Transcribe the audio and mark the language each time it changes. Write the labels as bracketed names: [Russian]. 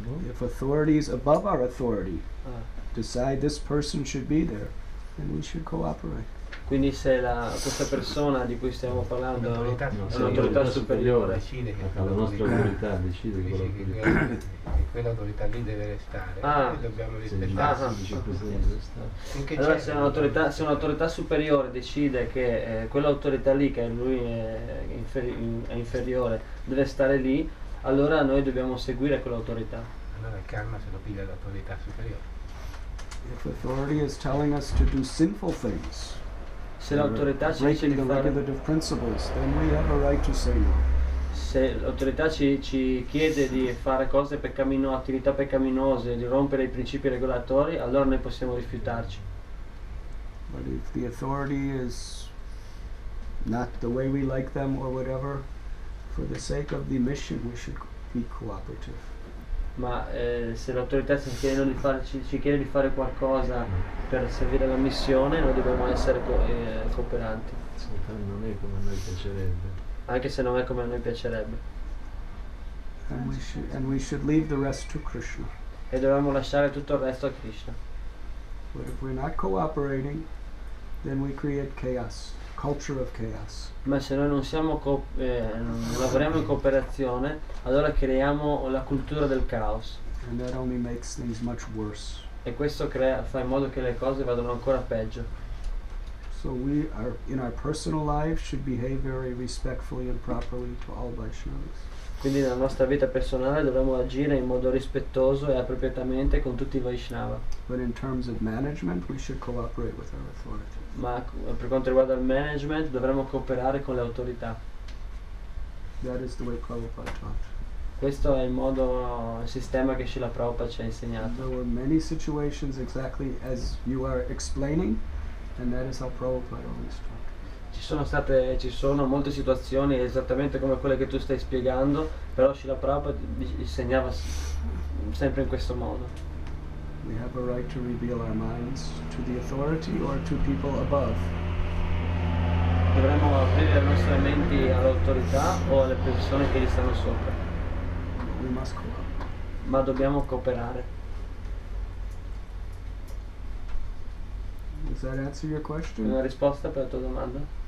[English] if authorities above our authority decide this person should be there, then we should cooperate. [Italian] Quindi se questa persona di cui stiamo parlando è un'autorità superiore, la nostra autorità decide che quell'autorità lì deve restare. Ah, dobbiamo rispettare. Allora se un'autorità superiore decide che quell'autorità lì, che lui è inferiore, deve stare lì, allora noi dobbiamo seguire quell'autorità. Allora il karma se lo piglia l'autorità superiore. [English] If authority is telling us to do sinful things, [Italian] se l'autorità ci dice di fare [English] regulative principles, then we have a right to say no. [Italian] Se l'autorità ci chiede di fare cose peccaminose, attività peccaminose, di rompere i principi regolatori, allora noi possiamo rifiutarci. [English] But if the authority is not the way we like them or whatever, for the sake of the mission we should be cooperative. [Italian] Ma se l'autorità ci chiede di fare qualcosa per servire la missione, noi dobbiamo essere cooperanti. Sì, non è come a noi piacerebbe. Anche se non è come a noi piacerebbe. [English] And we should leave the rest to Krishna. [Italian] E dovremmo lasciare tutto il resto a Krishna. [English] But if we're not cooperating, then we create chaos. Culture of chaos. [Italian] Ma se noi non siamo lavoriamo in cooperazione, allora creiamo la cultura del caos. [English] And that only makes things much worse. [Italian] E questo fa in modo che le cose vadano ancora peggio. [English] So we are in our personal life should behave very respectfully and properly to all Vaishnavas. [Italian] Quindi nella nostra vita personale dovremmo agire in modo rispettoso e appropriatamente con tutti i Vaishnava. [English] But in terms of management, we should cooperate with our authorities. [Italian] Ma per quanto riguarda il management dovremmo cooperare con le autorità. [English] That is the way Prabhupada taught. [Italian] Questo è il sistema che Srila Prabhupada ci ha insegnato. [English] There were many situations exactly as you are explaining, and that is how Prabhupada always taught. [Italian] Ci sono molte situazioni esattamente come quelle che tu stai spiegando, però Srila Prabhupada insegnava sempre in questo modo. [English] We have a right to reveal our minds to the authority or to people above. [Italian] Dovremmo aprire le nostre menti all'autorità o alle persone che gli stanno sopra. [English] We must cooperate. [Italian] Ma dobbiamo cooperare. [English] Does that answer your question? [Italian] Una risposta per la tua domanda?